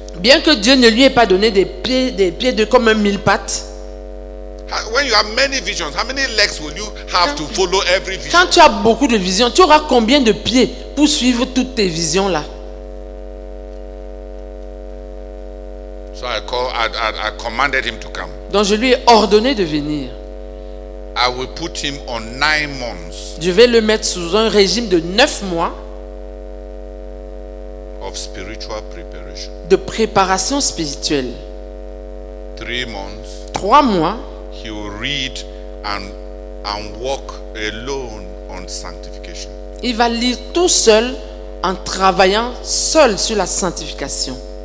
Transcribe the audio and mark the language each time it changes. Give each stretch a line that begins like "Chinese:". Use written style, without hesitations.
French: Bien que Dieu ne lui ait pas donné des pieds de comme un mille pattes.
English: When you have many visions, how many legs will you have to follow every vision?
French: Quand tu as beaucoup de visions, tu auras combien de pieds pour suivre toutes tes visions là?
English: So I commanded him to come.
French: Donc je lui ai ordonné de venir.
English: I will put him on 9 months.
French: Je vais le mettre sous un régime de 9 mois.
English: Of spiritual preparation.
French: De préparation spirituelle.
English: 3 months.
French: 3 mois.
English: He will read and walk alone on sanctification.
French: Il va lire tout seul en travaillant seul sur la sanctification.